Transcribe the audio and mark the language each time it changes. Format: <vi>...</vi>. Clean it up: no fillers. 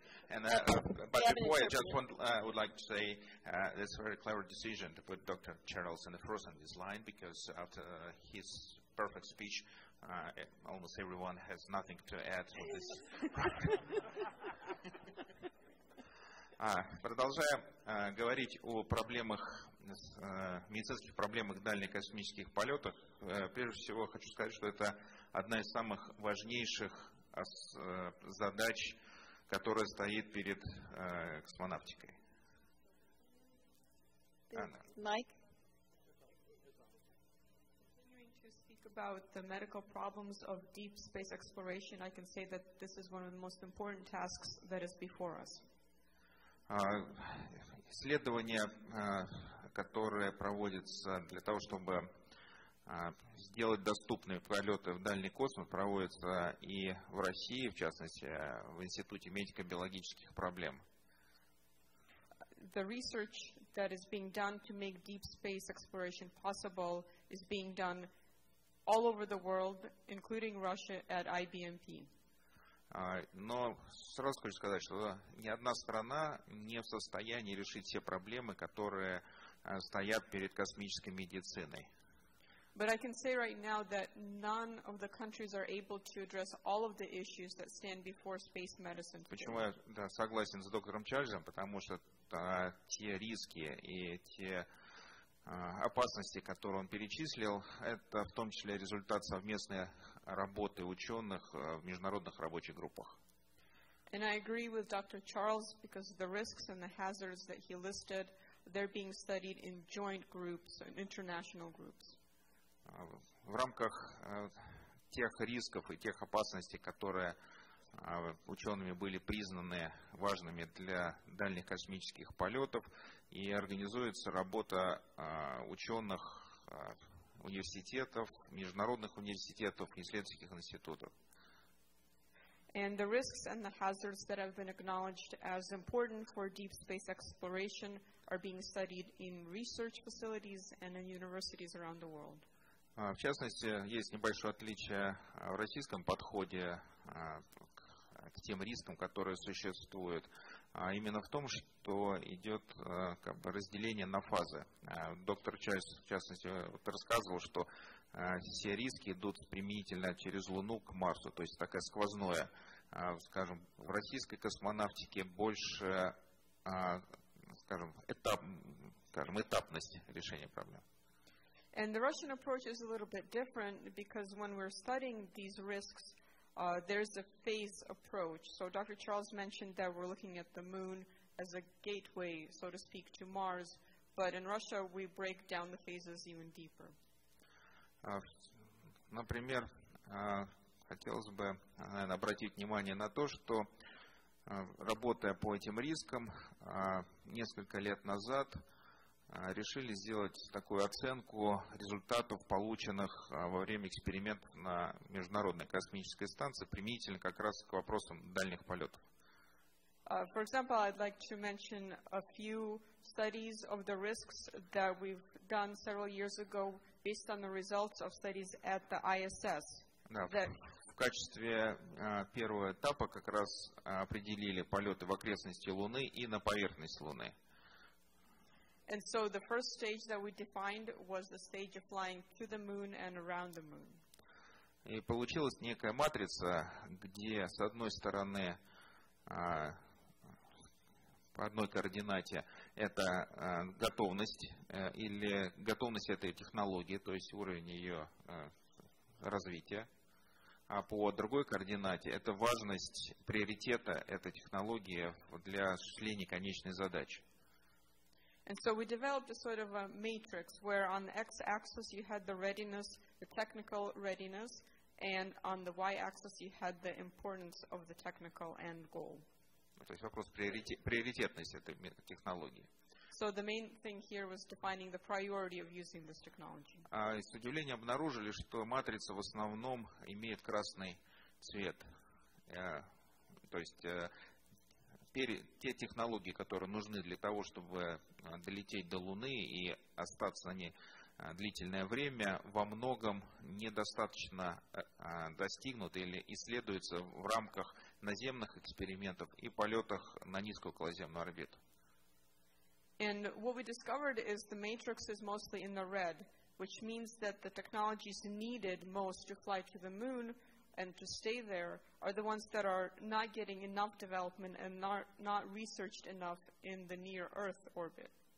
<en>And but before I just want, would like to say it's a very clever decision to put Dr. Charles in the first on this line, because after his perfect speech, almost everyone has nothing to add to this.</en> <ru>продолжая говорить о проблемах, медицинских проблемах дальнекосмических полетах, прежде всего хочу сказать, что это одна из самых важнейших задач, которая стоит перед космонавтикой. Майк?</ru> <en>About the medical problems of deep space exploration, I can say that this is one of the most important tasks that is before us.</en> <ru>Исследования, которые проводятся для того, чтобы сделать доступные полеты в дальний космос, проводятся и в России, в частности, в Институте медико-биологических проблем.</ru> <en>The research that is being done to make deep space exploration possible is being done all over the world, including Russia, at IBMP.</en> <ru>Но сразу хочу сказать, что ни одна страна не в состоянии решить все проблемы, которые стоят перед космической медициной.</ru> <en>But I can say right now that none of the countries are able to address all of the issues that stand before space medicine today.</en> <ru>Почему я согласен с доктором Чарльзом? Потому что те риски и те опасности, которые он перечислил, это в том числе результат совместной работы ученых в международных рабочих группах.</ru> <en>And I agree with Dr. Charles, because the risks and the hazards that he listed, they're being studied in joint groups and international groups.</en> <ru>В рамках тех рисков и тех опасностей, которые учеными были признаны важными для дальних космических полетов, и организуется работа ученых университетов, международных университетов, исследовательских институтов.</ru> <en>And the risks and the hazards that have been acknowledged as important for deep space exploration are being studied in research facilities and in universities around the world.</en> <ru>В частности, есть небольшое отличие в российском подходе к тем рискам, которые существуют, а именно в том, что идет как бы разделение на фазы. Доктор Чайс, в частности, вот рассказывал, что все риски идут применительно через Луну к Марсу, то есть такое сквозное. Скажем, в российской космонавтике больше, этапность решения проблем.</ru> <en>And the Russian approach is a little bit different, because when we're studying these risks, there's a phase approach. So Dr. Charles mentioned that we're looking at the moon as a gateway, so to speak, to Mars. But in Russia, we break down the phases even deeper.</en> <ru>Например, хотелось бы, наверное, обратить внимание на то, что, работая по этим рискам, несколько лет назад решили сделать такую оценку результатов, полученных во время экспериментов на Международной космической станции, применительно как раз к вопросам дальних полетов.</ru> <en>For example, I'd like to mention a few studies of the risks that we've done several years ago based on the results of studies at the ISS.</en> <ru>В качестве первого этапа как раз определили полеты в окрестности Луны и на поверхность Луны.</ru> <en>And so the first stage that we defined was the stage of flying to the moon and around the moon.</en> <ru>И получилась некая матрица, где с одной стороны, по одной координате, это готовность или готовность этой технологии, то есть уровень ее развития, а по другой координате это важность приоритета этой технологии для осуществления конечной задачи.</ru> <en>And so we developed a sort of a matrix where on the x-axis you had the readiness, the technical readiness, and on the y-axis you had the importance of the technical end goal.</en> <ru>То есть вопрос приоритетности этой технологии.</ru> <en>So the main thing here was defining the priority of using this technology.</en> <ru>С удивлением обнаружили, что матрица в основном имеет красный цвет. То есть те технологии, которые нужны для того, чтобы долететь до Луны и остаться на ней длительное время, во многом недостаточно достигнуты или исследуются в рамках наземных экспериментов и полетах на низкоокалоземную орбиту.</ru> <en>And what we discovered is the matrix is mostly in the red, which means that the technologies needed most to fly to the moon and to stay there are the ones that are not getting enough development and not researched enough in the near Earth orbit.</en>